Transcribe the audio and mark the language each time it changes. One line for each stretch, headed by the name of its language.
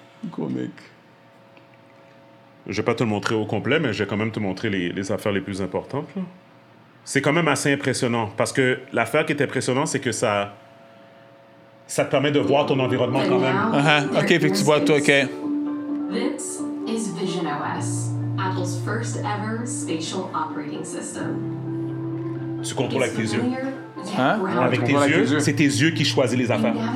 French: Comique. Je ne vais pas te le montrer au complet, mais je vais quand même te montrer les affaires les plus importantes. C'est quand même assez impressionnant. Parce que l'affaire qui est impressionnante, c'est que ça te permet de voir ton environnement quand même. OK, fait que tu vois, toi, OK.
English: This is VisionOS, Apple's first ever spatial operating system.
French: Tu contrôles avec tes yeux. Hein? Avec tes yeux, c'est tes yeux qui choisissent les affaires.